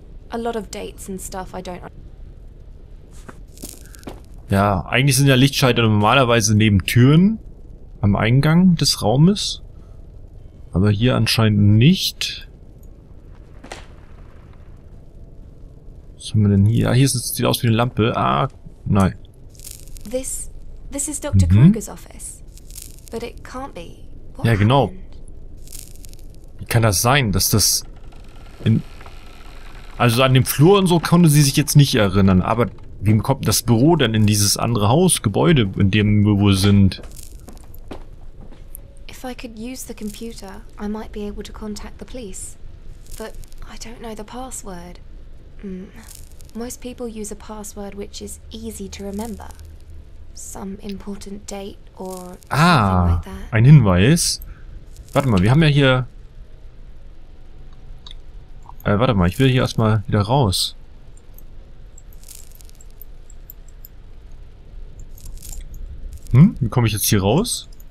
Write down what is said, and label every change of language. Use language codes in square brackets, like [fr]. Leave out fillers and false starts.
[en] A lot of dates and stuff, I don't. [de] Ja, eigentlich sind ja Lichtschalter normalerweise neben Türen am Eingang des Raumes. Aber hier anscheinend nicht. Was haben wir denn hier? Ja, hier sieht es aus wie eine Lampe. Ah, nein. [en] This is Dr. Kruger's office. But it can't be. [de] Ja, genau. Wie kann das sein, dass das in... Also an dem Flur und so konnte sie sich jetzt nicht erinnern, aber wie kommt das Büro denn in dieses andere Haus, Gebäude, in dem wir wohl sind? [en] If I could use the computer, I might be able to contact the police. But I don't know the password. Most people use a password which is easy to remember. Some important date or something like that. [de] Ah, ein Hinweis. Warte mal, wir haben ja hier... warte mal, ich will hier erstmal wieder raus. Wie komme ich jetzt hier raus?